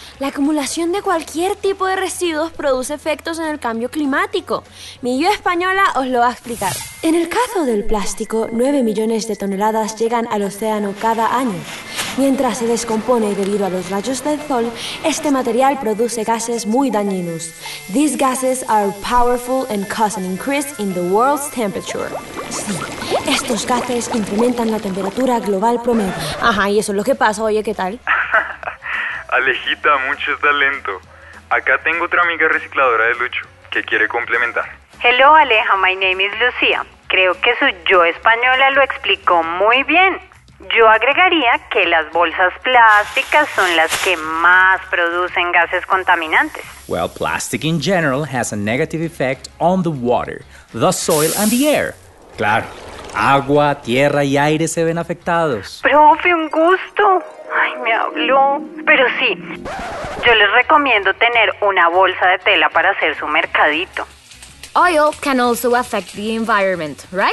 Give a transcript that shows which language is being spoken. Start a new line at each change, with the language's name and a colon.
Spanish: La acumulación de cualquier tipo de residuos produce efectos en el cambio climático. Mi yo española os lo va a explicar. En el caso del plástico, 9 millones de toneladas llegan al océano cada año. Mientras se descompone debido a los rayos del sol, este material produce gases muy dañinos.
English: These gases are powerful and cause an increase in the world's temperature.
Spanish: Sí, estos gases incrementan la temperatura global promedio. Ajá, y eso es lo que pasa, oye, ¿qué tal? Alejita, mucho talento. Acá tengo otra amiga recicladora de Lucho que quiere complementar.
English: Hello, Aleja, my name is Lucía.
Spanish: Creo que su yo española lo explicó muy bien. Yo agregaría que las bolsas plásticas son las que más producen gases contaminantes.
English: Well, plastic in general has a negative effect on the water, the soil and the air.
Spanish: Claro, agua, tierra y aire se ven afectados. Profe, un gusto. Ay, me habló. Pero sí, yo les recomiendo tener una bolsa de tela para hacer su mercadito.
English: Oil can also affect the environment, right?